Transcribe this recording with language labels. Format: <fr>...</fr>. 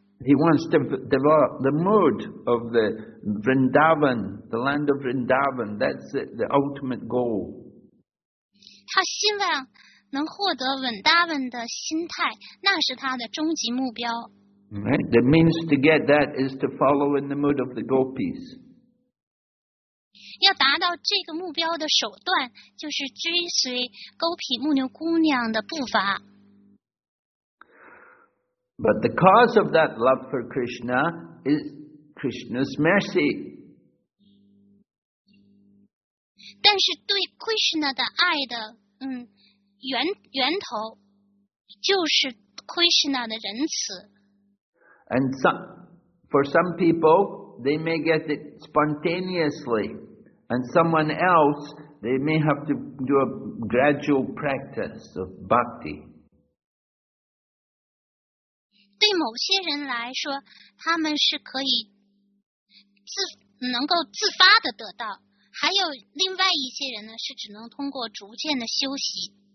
<en>He wants to develop the mood of the Vrindavan, the land of Vrindavan. That's the ultimate goal.</en> <zh>他希望能获得 Vrindavan 的心态，那是他的终极目标。</zh> <en>Right. The means to get that is to follow in the mood of the gopis.</en> <zh>要达到这个目标的手段就是追随沟皮牧牛姑娘的步伐。</zh> <en>But the cause of that love for Krishna is Krishna's mercy.</en> <zh>但是对 Krishna 的爱的源头就是 Krishna 的仁慈。</zh> <en>And for some people, they may get it spontaneously. And someone else, they may have to do a gradual practice of bhakti.</en> <zh>对某些人来说，他们是可以能够自发的得到。还有另外一些人呢，是只能通过逐渐的修习。</zh>